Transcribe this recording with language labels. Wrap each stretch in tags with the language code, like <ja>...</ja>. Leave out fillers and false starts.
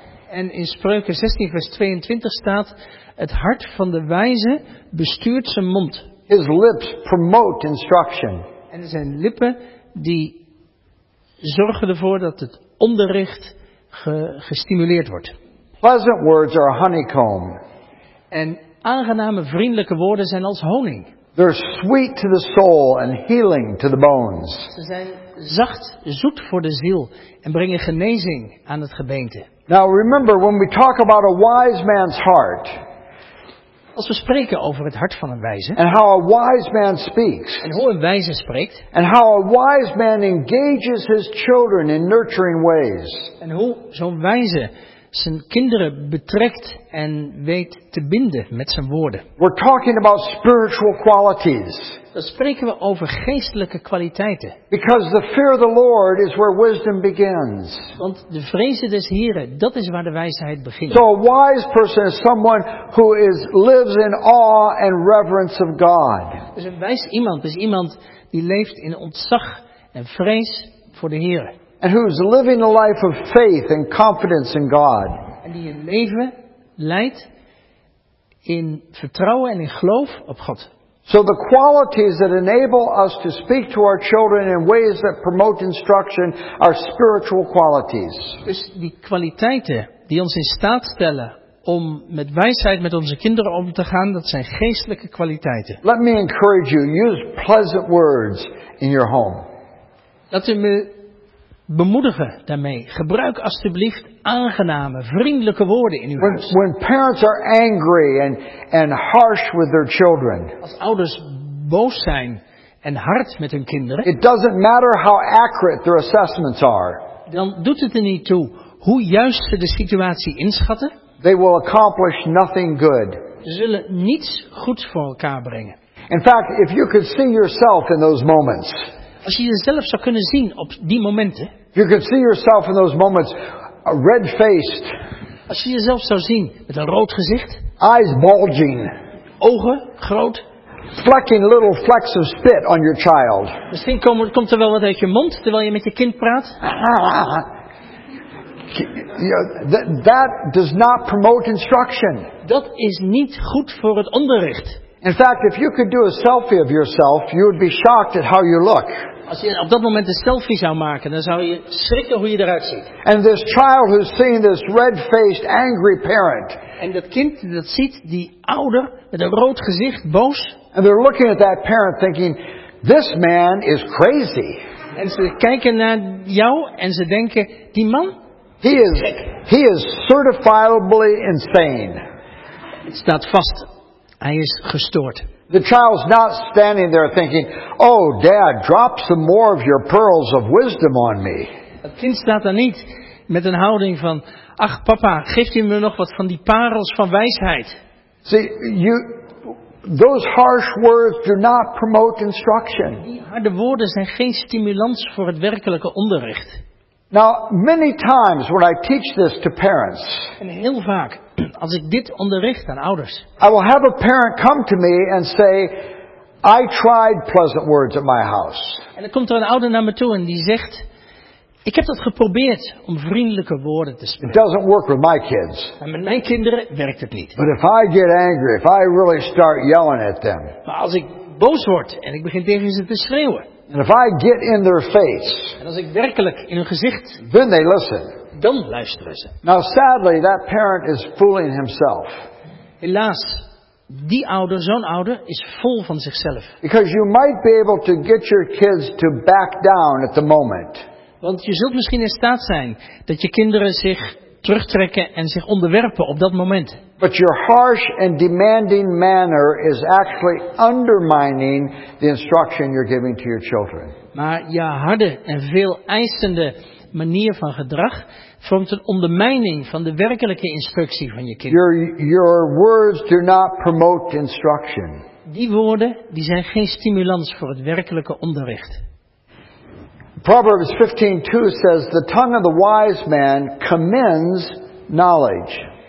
<nl>En in Spreuken 16 vers 22 staat, het hart van de wijze bestuurt zijn mond.</nl> <en>His lips promote instruction.</en> <nl>En zijn lippen die zorgen ervoor dat het onderricht gestimuleerd wordt.</nl> <en>Pleasant words are a honeycomb.</en> <nl>En aangename vriendelijke woorden zijn als honing.</nl> <en>They're sweet to the soul and healing to the bones.</en> <nl>Ze zijn zacht, zoet voor de ziel en brengen genezing aan het gebeente.</nl> <en>Now remember, when we talk about a wise man's heart.</en> <nl>Als we spreken over het hart van een wijze.</nl> <en>And how a wise man speaks.</en> <nl>En hoe een wijze spreekt.</nl> <en>And how a wise man engages his children in nurturing ways.</en> <nl>En hoe zo'n wijze zijn kinderen betrekt en weet te binden met zijn woorden.</nl> <en>We're talking about spiritual qualities.</en> <nl>Dan spreken we over geestelijke kwaliteiten.</nl> <en>Because the fear of the Lord is where wisdom begins.</en> <nl>Want de vreze des Heren, dat is waar de wijsheid begint.</nl> <en>So a wise person is someone who lives in awe and reverence of God.</en> <nl>Dus een wijs iemand is iemand die leeft in ontzag en vrees voor de Heren.</nl> <en>And who is living a life of faith and confidence in God.</en> <nl>En die een leven leidt in vertrouwen en in geloof op God.</nl> <en>So the qualities that enable us to speak to our children in ways that promote instruction are spiritual qualities.</en> <nl>Dus die kwaliteiten die ons in staat stellen om met wijsheid met onze kinderen om te gaan, dat zijn geestelijke kwaliteiten.</nl> <en>Let me encourage you, use pleasant words in your home.</en> <nl>Laat u me bemoedigen daarmee. Gebruik alsjeblieft aangename, vriendelijke woorden in uw huis.</nl> <en>When parents are angry and harsh with their children.</en> <nl>Als ouders boos zijn en hard met hun kinderen.</nl> <en>It doesn't matter how accurate their assessments are.</en> <nl>Dan doet het er niet toe hoe juist ze de situatie inschatten.</nl> <en>They will accomplish nothing good.</en> <nl>Ze zullen niets goeds voor elkaar brengen.</nl> <en>In fact, if you could see yourself in those moments.</en> <nl>Als je jezelf zou kunnen zien op die momenten.</nl> <en>You could see yourself in those moments red faced.</en> <nl>Als je jezelf zou zien met een rood gezicht.</nl> <en>Eyes bulging.</en> <nl>Ogen groot.</nl> <en>Flecking little flecks of spit on your child.</en> <nl>Misschien komt er wel wat uit je mond terwijl je met je kind praat.</nl> <en>That does not promote instruction.</en> <nl>Dat is niet goed voor het onderricht.</nl> <en>In fact, if you could do a selfie of yourself, you would be shocked at how you look.</en> <nl>Als je op dat moment een selfie zou maken, dan zou je schrikken hoe je eruit ziet.</nl> <en>And this child who's seen this red-faced, angry parent.</en> <nl>En dat kind dat ziet die ouder met een rood gezicht, boos.</nl> <en>And they're looking at that parent thinking, this man is crazy.</en> <nl>En ze kijken naar jou en ze denken, die man?</nl> <en>He is certifiably insane.</en> <nl>Het staat vast. Hij is gestoord.</nl> <en>The child's not standing there thinking, "Oh, Dad, drop some more of your pearls of wisdom on me."</en> <nl>Het kind staat daar niet met een houding van, "Ach, papa, geeft u me nog wat van die parels van wijsheid?"</nl> <en>See, those harsh words do not promote instruction.</en> <nl>Die harde woorden zijn geen stimulans voor het werkelijke onderricht.</nl> <en>Now, many times when I teach this to parents.</en> <nl>En heel vaak. Als ik dit onderricht aan ouders.</nl> <en>I will have a parent come to me and say, I tried pleasant words at my house.</en> <nl>En dan komt er een ouder naar me toe en die zegt, ik heb dat geprobeerd om vriendelijke woorden te spreken.</nl> <en>It doesn't work with my kids.</en> <nl>En met mijn kinderen werkt het niet.</nl> <en>But if I get angry, if I really start yelling at them.</en> <nl>Maar als ik boos word en ik begin tegen ze te schreeuwen.</nl> <en>And if I get in their face.</en> <nl>En als ik werkelijk in hun gezicht.</nl> <en>Then they listen.</en> <nl>Dan luisteren ze.</nl> <en>Now sadly, that parent is fooling himself.</en> <nl>Helaas, die ouder, zo'n ouder, is vol van zichzelf.</nl> <en>Because you might be able to get your kids to back down at the moment.</en> <nl>Want je zult misschien in staat zijn dat je kinderen zich terugtrekken en zich onderwerpen op dat moment.</nl> <en>But your harsh and demanding manner is actually undermining the instruction you're giving to your children.</en> <nl>Maar je harde en veel eisende manier van gedrag vormt een ondermijning van de werkelijke instructie van je kind.</nl> <en>Your words do not promote instruction.</en> <nl>Die woorden die zijn geen stimulans voor het werkelijke onderricht.</nl> <en>Proverbs 15:2 says the tongue of the wise man commends knowledge.</en>